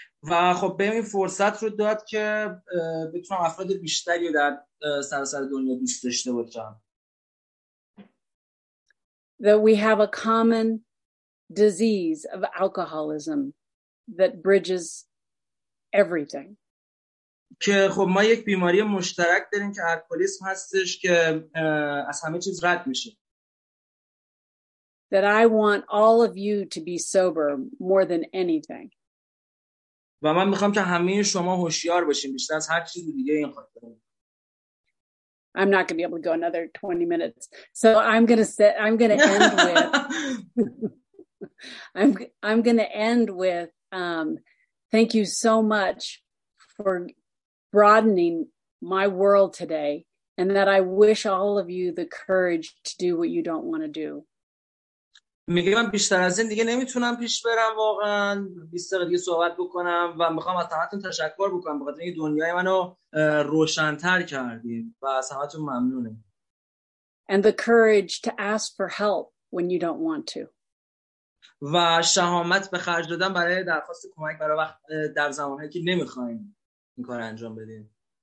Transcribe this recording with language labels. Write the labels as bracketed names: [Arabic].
[Persian] و خب به این فرصت رو داد که بتونم افراد بیشتری رو در سراسر دنیا دوست داشته باشم. [English] That we have a common disease of alcoholism that bridges everything. [Persian] که خب ما یک بیماری مشترک داریم که الکلیسم هستش که از همه چیز رد میشه. [English] That I want all of you to be sober more than anything. [Persian] و من میخوام که همه شما هوشیار باشین بیشتر از هر چیز دیگه این خاطر. [English] I'm not going to be able to go another 20 minutes. So I'm going to end with thank you so much for broadening my world today, and that I wish all of you the courage to do what you don't want to do. [Persian] میگه من بیشتر از این دیگه نمیتونم پیش برم واقعا 20 دقیقه دیگه صحبت بکنم و میخوام از همتون تشکر بکنم بخاطر اینکه دنیای منو روشن‌تر کردید و از همتون ممنونم. [English] And the courage to ask for help when you don't want to. [Persian] و شجاعت به خرج دادن برای درخواست کمک برای وقت در زمانی که نمیخواید این کار انجام بدید.